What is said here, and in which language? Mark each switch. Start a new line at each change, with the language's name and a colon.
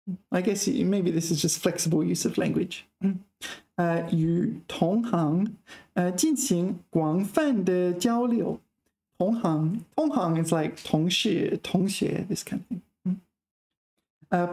English: I guess maybe this is just flexible use of language.
Chinese: 与同行进行广泛的交流. 同行.
English: 同行 is like 同事, this kind of thing.